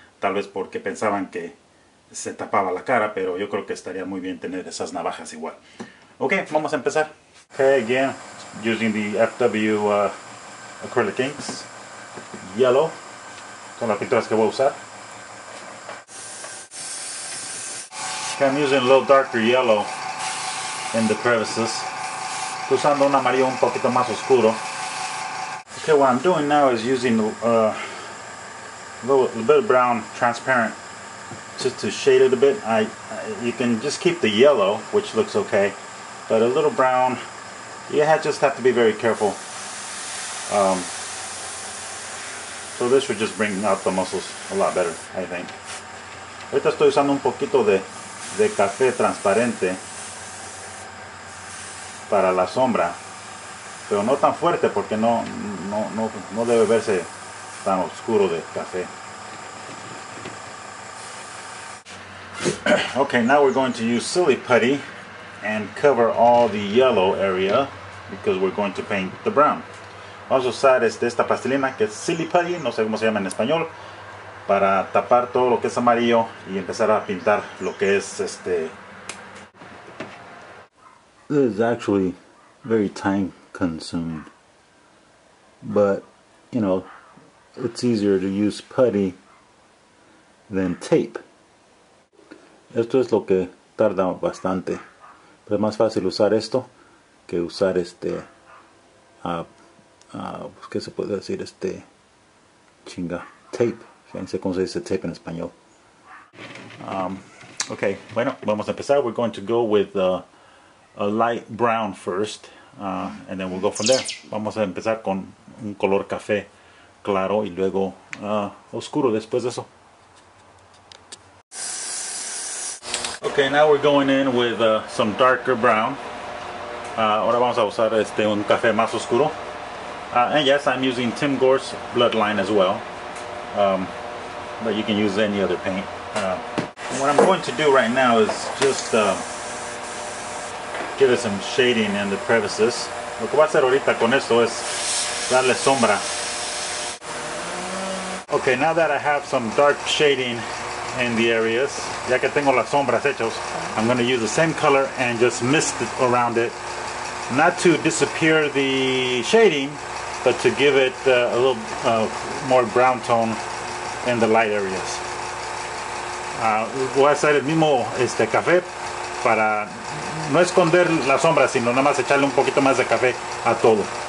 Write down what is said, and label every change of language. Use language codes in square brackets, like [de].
[es] Tal vez porque pensaban que se tapaba la cara, pero yo creo que estaría muy bien tener esas navajas igual. Okay, vamos a empezar. [en] Okay, again, using the FW acrylic inks. [es] Yellow, son las pinturas que voy a usar. [en] Okay, I'm using a little darker yellow in the crevices. [es] Estoy usando un amarillo un poquito más oscuro. [en] Okay, what I'm doing now is using a little bit of brown transparent just to shade it a bit. You can just keep the yellow, which looks okay, but a little brown, just have to be very careful. So this would just bring out the muscles a lot better, I think. [es] Ahorita estoy usando un poquito de café transparente para la sombra, pero no tan fuerte porque no debe verse tan oscuro de café. [en] Okay, now we're going to use silly putty and cover all the yellow area because we're going to paint the brown. [es] Vamos a usar esta plastilina que es silly putty, no sé cómo se llama en español, para tapar todo lo que es amarillo y empezar a pintar lo que es [en] This is actually very time consuming, but you know, it's easier to use putty than tape. [es] Esto es lo que tarda bastante. Pero es más fácil usar esto que usar ¿qué se puede decir? Tape. Fíjense cómo se dice tape en español. Okay, bueno, vamos a empezar. [en] We're going to go with a light brown first, and then we'll go from there. [es] Vamos a empezar con un color café claro y luego oscuro después de eso. [en] Okay, now we're going in with some darker brown. [es] Ahora vamos a usar un café más oscuro. [en] And yes, I'm using Tim Gore's Bloodline as well. But you can use any other paint. What I'm going to do right now is just give it some shading in the crevices. [es] Lo que voy a hacer ahorita con esto es darle sombra. [en] Okay, now that I have some dark shading in the areas, [es] ya que tengo las sombras hechas, [en] I'm going to use the same color and just mist it around it, not to disappear the shading, but to give it a little more brown tone in the light areas. [es] Voy a hacer el mismo café para no esconder las sombras, sino nada más echarle un poquito más de café a todo.